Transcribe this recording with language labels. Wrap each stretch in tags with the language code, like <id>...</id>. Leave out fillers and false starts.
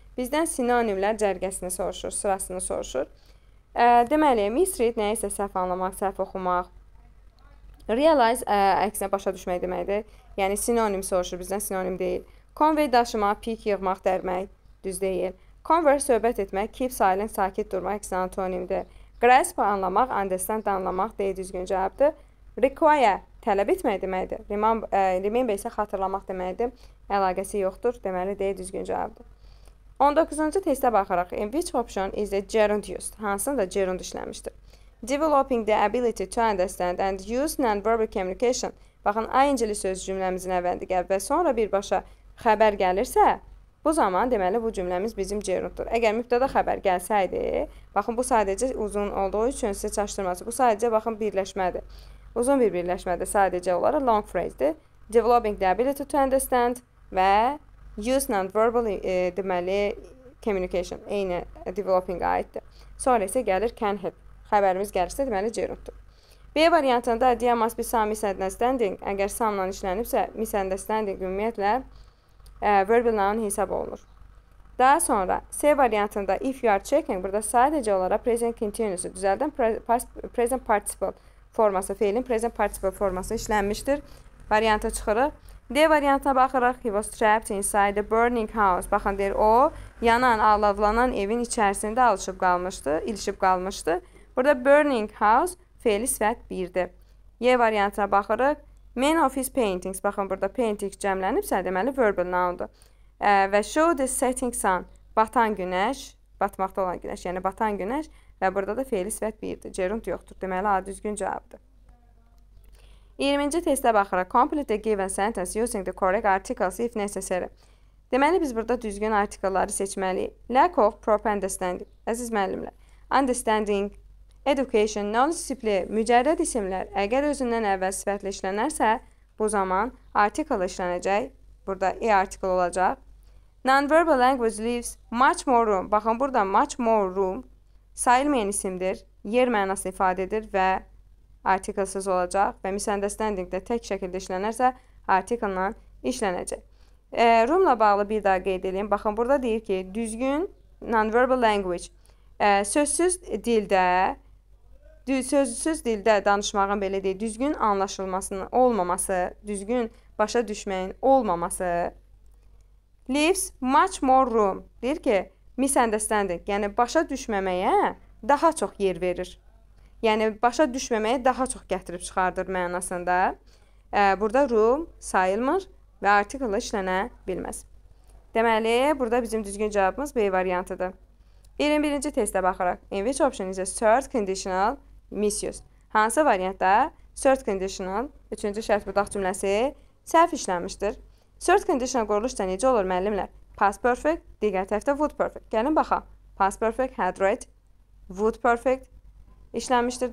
<az>Bizdən sinonimlər cərgəsini soruşur, sırasını soruşur. Deməli, misread nəyisə səhv anlamaq, səhv oxumaq. Realize, əksinə başa düşmək deməkdir. Yəni, sinonim soruşur, bizdən sinonim deyil. Convey daşımaq, pik yığmaq, dərmək, düz deyil. Converse söhbət etmək, keep silent, sakit durmaq, əksinə antonimdir. Grasp anlamaq, understand anlamaq, D düzgün cavabdır. Require, tələb etmək deməkdir. Remember isə xatırlamaq deməkdir. Əlaqəsi yoxdur. Deməli, D düzgün cavabdır. 19-cu testə baxaraq.</az> <en>In which option is the gerund used?</en> <az>Hansında gerund işləmişdir?</az> <en>Developing the ability to understand and use non-verbal communication.</en> <az>Baxın, ayıncili söz cümləmizin əvvəldə gəlir və sonra birbaşa xəbər gəlirsə, bu zaman deməli bu cümləmiz bizim gerunddur. Əgər mübtəda xəbər gəlsəydi, baxın, bu sadəcə uzun olduğu üçün sizə çaşdırmaz. Bu sadəcə, baxın, birləşmədir. Uzun bir birləşmədir sadəcə olaraq long phrase-dir.</az> <en>Developing the ability to understand</en> <az>və use non-verbal deməli communication, eyni developing-a aiddir. Sonra isə gəlir can help. Xəbərimiz gəlirsə deməli gerunddur. B variantında</az> <en>there must be some misunderstanding.</en> <az>Əgər some-la işlənibsə misunderstanding ümumiyyətlə verbal noun hesab olunur. Daha sonra C variantında</az> <en>if you are checking</en> <az>burada sadəcə olaraq present continuous düzəldən present participle forması, feilin present participle forması işlənmişdir. Varianta çıxırıq. D variantına baxırıq.</az> <en>He was trapped inside the burning house.</en> <az>Baxın, deyir, o yanan, alovlanan evin içərisində alışıb qalmışdı, ilişib qalmışdı. Burada burning house feili sifət 1-dir. E variantına baxırıq.</az> <en>Man of his paintings.</en> <az>Baxın, burada painting cəmlənibsə, deməli, verbal noun-dur. Və</az> <en>show the setting sun.</en> <az>Batan günəş, batmaqda olan günəş, yəni batan günəş. Və burada da feili sifət 1-dir. Gerund yoxdur. Deməli, A düzgün cavabdır. 20-ci testə baxıraq.</az> <en>Complete the given sentence using the correct articles if necessary.</en> <az>Deməli, biz burada düzgün artikelları seçməliyik.</az> <en>Lack of proper understanding.</en> <az>Əziz müəllimlər. Understanding, education, non-sipli, mücərrəd isimlər. Əgər özündən əvvəl sifətlə işlənərsə, bu zaman article işlənəcək. Burada e article olacaq.</az> <en>Non-verbal language leaves much more room.</en> <az>Baxın, burada</az> <en>much more room.</en> <az>Sayılmayan isimdir, yer mənası ifadə edir və artiklesiz olacaq və misunderstanding də tək şəkildə işlənərsə artiklə işlənəcək. Roomla bağlı bir daha qeyd edeyim. Baxın, burada deyir ki, düzgün non-verbal language sözsüz dildə sözsüz dildə danışmağın belə deyir, düzgün anlaşılmasının olmaması, düzgün başa düşməyin olmaması</az> <en>leaves much more room.</en> <az>Deyir ki, misunderstanding, yəni başa düşməməyə daha çox yer verir. Yəni başa düşməməyə daha çox gətirib çıxardır mənasında. Burada room sayılmır və artikl işlənə bilməz. Deməli, burada bizim düzgün cavabımız B variantıdır. 21-ci testə baxaraq.</az> <en>In which option is a third conditional misused?</en> <az>Hansı variantda third conditional, üçüncü şərt budaq cümləsi səhv işlənmişdir? Third conditional quruluşda necə olur müəllimlər? Past perfect, digər tərəfdə would perfect. Gəlin baxaq. Past perfect, had read, would perfect işlənmişdir.</az>